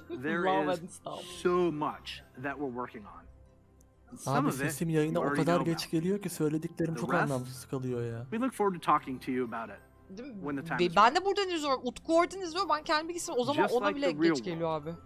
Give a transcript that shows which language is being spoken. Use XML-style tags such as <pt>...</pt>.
<en>There is so much that we're working on.</en> <tr>Abi sesim yayına o kadar geç geliyor ki söylediklerim çok anlamsız kalıyor ya.</tr> <en>We look forward to talking to you about it.</en> <tr>Ben de buradan izliyorum. Utku Ordu'nu izliyorum. Ben kendi bilgisayarım. O zaman ona bile geç geliyor abi.</tr>